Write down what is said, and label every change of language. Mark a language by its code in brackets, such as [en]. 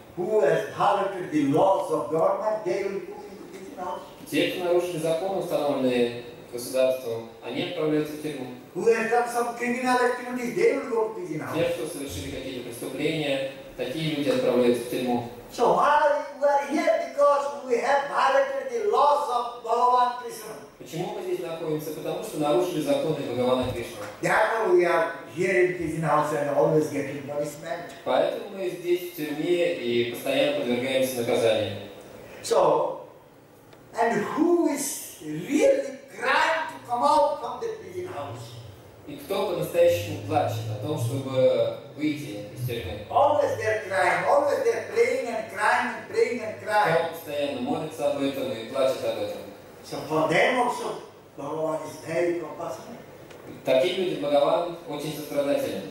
[en] Who has violated the laws of government? They will put into prison house. [ru] Те, кто нарушили закон, установленный государством, они отправляются в тюрьму. [en] Who has done some criminal activity? They will go to prison house. [ru] Те, кто совершили какие-то преступления, такие люди отправляются в тюрьму. [en] So why we are here? Because we have violated the laws of Bhagavan Krishna. [ru] Почему мы здесь находимся? Потому что нарушили законы Бхагавана Кришны. [en] Therefore we are here in prison house and always getting punishment. [ru] Поэтому мы здесь в тюрьме и постоянно подвергаемся наказаниям. [en] So, and who is really crying to come out from the prison house? [ru] И кто по-настоящему плачет о том, чтобы выйти из тюрьмы? [en] Always they're crying, always they're praying and crying, praying and crying. [ru] Кто постоянно молится об этом и плачет об этом? [en] So for them also, Bhagavan is very compassionate. [ru] Такие люди, Бхагаван, очень сострадательны.